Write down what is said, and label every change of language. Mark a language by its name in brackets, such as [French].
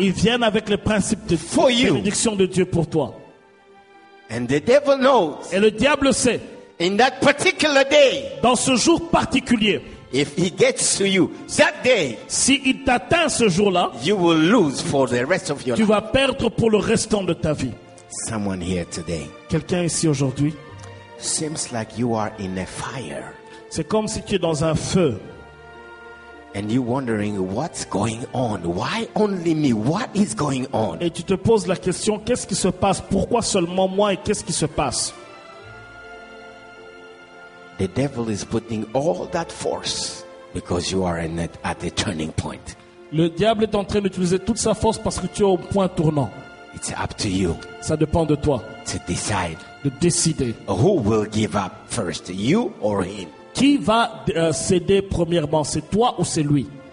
[French] Ils viennent avec le principe de [English] for you. [French] Bénédiction de Dieu pour toi. [English] And the devil knows. [French] Et le diable sait. [English] In that particular day. [French] Dans ce jour particulier. [English] If he gets to you that day, [French] si il t'atteint ce jour-là, [English] you will lose for the rest of your [French] life. Tu vas perdre pour le restant de ta vie. [English] Someone here today. [French] Quelqu'un ici aujourd'hui. [English] Seems like you are in a fire. [French] C'est comme si tu es dans un feu. [English] And you're wondering what's going on? Why only me? What is going on? [French] Et tu te poses la question, qu'est-ce qui se passe? Pourquoi seulement moi et qu'est-ce qui se passe? [English] The devil is putting all that force because you are at a turning point. [French] Le diable est en train d'utiliser toute sa force parce que tu es au point tournant. [English] It's up to you. [French] Ça dépend de toi. [English] To decide. [French] De décider. [English] Who will give up first, you or him? [French] Qui va céder premièrement, c'est toi ou c'est lui?